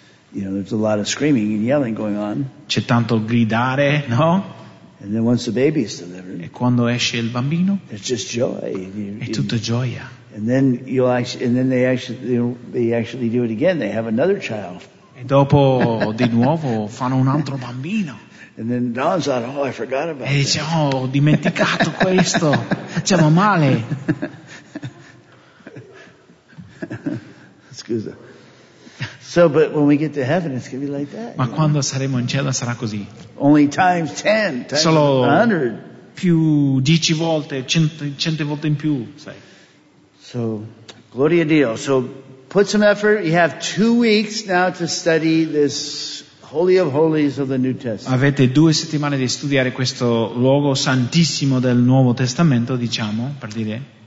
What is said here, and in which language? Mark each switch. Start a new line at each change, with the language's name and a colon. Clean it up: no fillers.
English: You know, there's a lot of screaming and yelling going on.
Italian: C'è tanto gridare, no?
English: And then once the baby is delivered,
Italian: e quando esce il bambino,
English: it's just joy.
Italian: È tutta gioia.
English: And then they actually do it again. They have another child.
Italian: E dopo di nuovo fanno un altro bambino.
English: And then Don's like, oh, I forgot about that.
Italian: E dice, oh, ho dimenticato questo. Siamo male. Scusa.
English: So, but when we get to heaven, it's going to be like that.
Italian: Ma quando saremo in cielo sarà così.
English: Only times 10, times 100.
Italian: Più 10 volte, 100 volte in più, sai.
English: So,
Italian: gloria a Dio.
English: So, put some effort. You have 2 weeks now to study this Holy of Holies of the New Testament.
Italian: Avete due settimane di studiare questo luogo santissimo del Nuovo Testamento, diciamo, per dire.